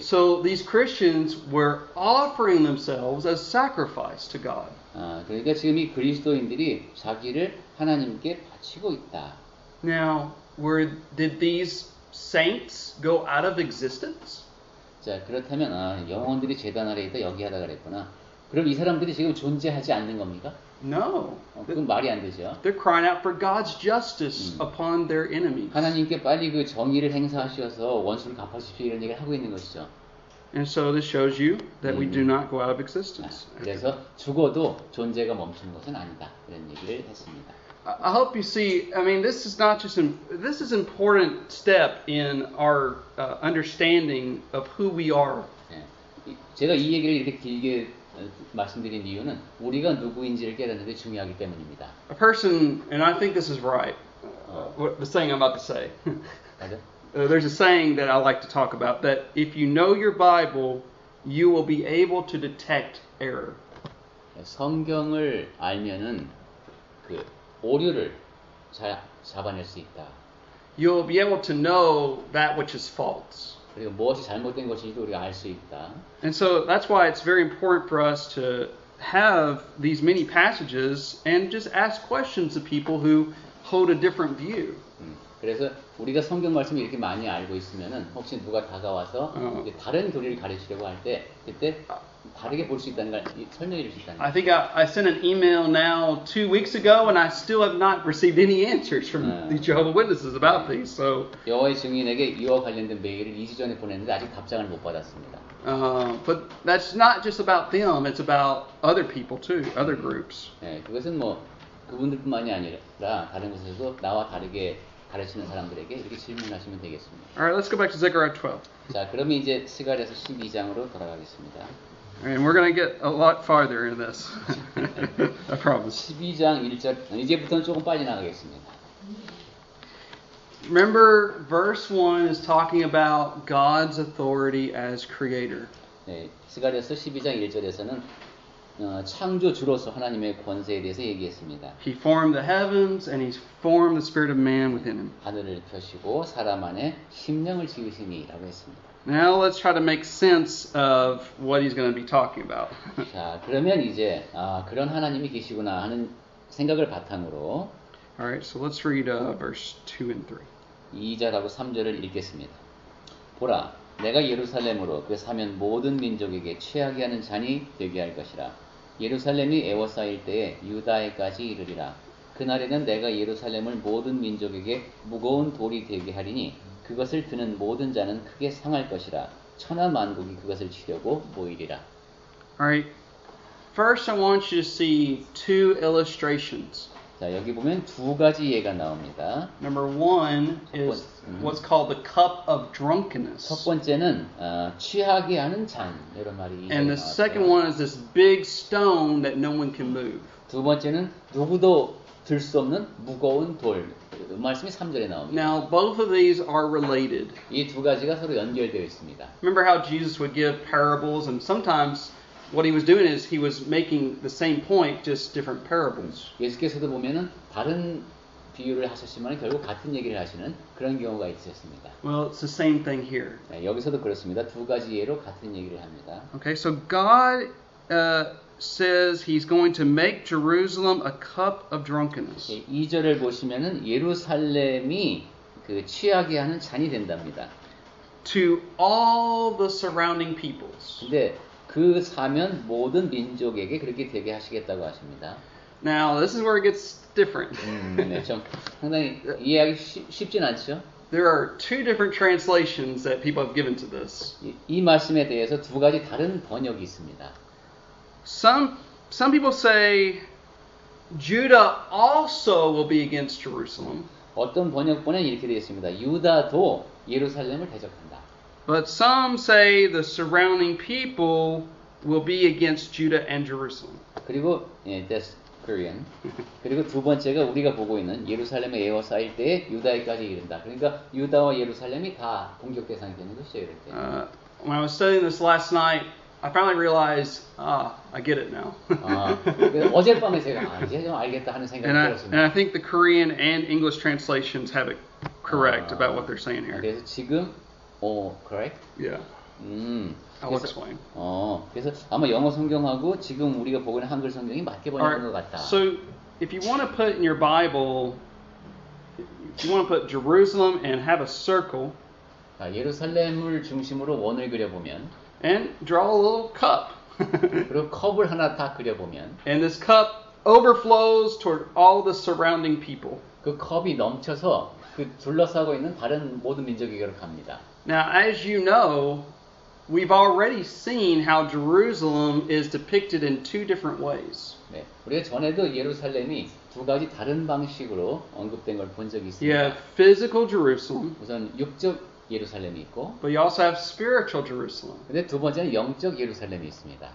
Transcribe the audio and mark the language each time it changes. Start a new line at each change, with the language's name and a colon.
English: So these Christians were offering themselves as sacrifice to God.
Korean: 아, 그러니까 지금 이 그리스도인들이 자기를 하나님께 바치고 있다.
English: Now, were did these saints go out of existence?
Korean: 자, 그렇다면 아, 영혼들이 제단 아래 있다 여기 하다 그랬구나. 그럼 이 사람들이 지금 존재하지 않는 겁니까?
English: No.
Korean: 그건 말이 안 되죠.
English: They're crying out for God's justice upon their enemies.
Korean: 하나님께 빨리 그 정의를 행사하셔서 원수를 갚아주십시오 이런 얘기를 하고 있는 것이죠.
English: And so this shows you that we do not go out of existence.
Korean: 그래서 죽어도 존재가 멈춘 것은 아니다 이런 얘기를 했습니다.
English: I hope you see. I mean, this is not just this is important step in our understanding of who we are.
Korean: 제가 이 얘기를 이렇게 길게 말씀드린 이유는 우리가 누구인지를 깨닫는 데 중요하기 때문입니다.
English: A person, and I think this is right. The saying I'm about to say. There's a saying that I like to talk about that if you know your Bible, you will be able to detect error.
Korean: 성경을 알면은 그 오류를 잘 잡아낼 수 있다.
English: You'll be able to know that which is false.
Korean: 그리고 무엇이 잘못된 것인지도 우리가 알 수 있다.
English: And so that's why it's very important for us to have these many passages and just ask questions of people who hold a different view.
Korean: 그래서 우리가 성경 말씀을 이렇게 많이 알고 있으면은 혹시 누가 다가와서 다른 교리를 가르치려고 할 때 그때 다르게 볼 수 있다는 걸 설명해 줄 수 있다는
English: I think I sent an email now 2 weeks ago and I still have not received any answers from the Jehovah's Witnesses about these. So
Korean: 여호와의 증인에게 이와 관련된 메일을 2주 전에 보냈는데 아직 답장을 못 받았습니다.
English: But that's not just about them. It's about other people too, other groups.
Korean: 네, 그것은 뭐 그분들뿐만이 아니라 다른 곳에서도 나와 다르게 가르치는 사람들에게 이렇게 질문하시면 되겠습니다.
English: All right, let's go back to Zechariah 12.
Korean: 자, 그럼 이제 스가랴서 12장으로 돌아가겠습니다.
English: And we're going to get a lot farther in this. I promise.
Korean: 12장 1절 이제부터는 조금 빠져나가겠습니다.
English: Remember verse 1 is talking about God's authority as creator.
Korean: 네, 스가랴서 12장 1절에서는 창조주로서 하나님의 권세에 대해서 얘기했습니다.
English: He formed the heavens and he formed the spirit of man within him.
Korean: 하늘을 펴시고 사람 안에 심령을 지으시니라고 했습니다.
English: Now let's try to make sense of what he's going to be talking about.
Korean: 자, 그러면 이제 그런 하나님이 계시구나 하는 생각을 바탕으로
English: All right, so let's read verse 2 and 3.
Korean: 2절하고 3절을 읽겠습니다. 보라 내가 예루살렘으로 그 사면 모든 민족에게 취하게 하는 잔이 되게 할 것이라. 예루살렘이 에워싸일 때에 유다에까지 이르리라. 그날에는 내가 예루살렘을 모든 민족에게 무거운 돌이 되게 하리니 그것을 드는 모든 자는 크게 상할 것이라. 천하 만국이 그것을 치려고 모이리라.
English: Alright. First I want you to see two illustrations.
Korean: 자, 여기 보면 두 가지 예가 나옵니다.
English: Number one is what's called the cup of drunkenness.
Korean: 첫 번째는 취하게 하는 잔 이런 말이 있어요.
English: And the second one is this big stone that no one can move.
Korean: 두 번째는 누구도 들 수 없는 무거운 돌 말씀이 3절에 나옵니다.
English: Now both of these are related.
Korean: 이 두 가지가 서로 연결되어 있습니다.
English: Remember how Jesus would give parables and sometimes What he was doing is he was making the same point, just different parables.
Korean: 예수께서도 보면은 다른 비유를 하셨지만 결국 같은 얘기를 하시는 그런 경우가 있었습니다.
English: Well, it's the same thing here.
Korean: 네, 여기서도 그렇습니다. 두 가지 예로 같은 얘기를 합니다.
English: Okay, so God says he's going to make Jerusalem a cup of drunkenness.
Korean: 이 절을 보시면은 예루살렘이 그 취하게 하는 잔이 된답니다.
English: To all the surrounding peoples.
Korean: 근데 그 사면 모든 민족에게 그렇게 되게 하시겠다고 하십니다.
English: Now this is where it gets different.
Korean: 네, 좀 상당히 이해하기 쉽진 않죠.
English: There are two different translations that people have given to this.
Korean: 이 말씀에 대해서 두 가지 다른 번역이 있습니다.
English: Some people say Judah also will be against Jerusalem.
Korean: 어떤 번역본에는 이렇게 되어 있습니다. 유다도 예루살렘을 대적한다.
English: But some say the surrounding people will be against Judah and Jerusalem.
Korean: 그리고 예,
English: that's Korean.
Korean: 그리고 두 번째가 우리가 보고 있는 예루살렘의 예화 쌓일 때 유다에까지 이른다. 그러니까 유다와 예루살렘이 다 공격 대상이 되는 것이죠, 이럴 때.
English: When I was studying this last night, I finally realized, I get it now.
Korean: 어젯밤에 제가 이제 좀 알겠다 하는 생각이 들었습니다.
English: And I think the Korean and English translations have it correct about what they're saying here.
Korean: 그래서 지금,
English: correct? Yeah. I'll explain.
Korean: 그래서 아마 영어 성경하고 지금 우리가 보고 있는 한글 성경이 맞게 번역한 것 같다.
English: So, if you want to put in your Bible, if you want to put Jerusalem and have a circle,
Korean: 자, 예루살렘을 중심으로 원을 그려보면,
English: And draw a little cup.
Korean: 그리고 컵을 하나 딱 그려보면.
English: And this cup overflows toward all the surrounding people.
Korean: 그 컵이 넘쳐서 그 둘러싸고 있는 다른 모든 민족에게로 갑니다.
English: Now, as you know, we've already seen how Jerusalem is depicted in two different ways.
Korean: 네, 우리가 전에도 예루살렘이 두 가지 다른 방식으로 언급된 걸 본 적이 있습니다.
English: Yeah, physical Jerusalem.
Korean: 우선 육적 예루살렘이 있고,
English: But you also have spiritual Jerusalem.
Korean: 근데 두 번째는 영적 예루살렘이 있습니다.